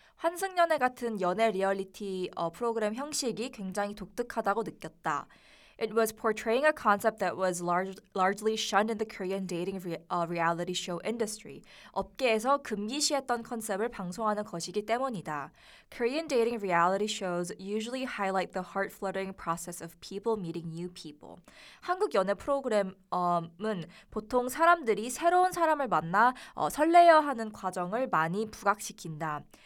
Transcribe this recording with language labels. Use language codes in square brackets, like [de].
[ko] 환승연애 같은 연애 리얼리티 프로그램 형식이 굉장히 독특하다고 느꼈다. [en] It was portraying a concept that was largely shunned in the Korean dating reality show industry. [ko] 업계에서 금기시했던 컨셉을 방송하는 것이기 때문이다. [en] Korean dating reality shows usually highlight the heart-fluttering process of people meeting new people. [ko] 한국 연애 프로그램은 보통 사람들이 새로운 사람을 만나 설레어하는 과정을 많이 부각시킨다.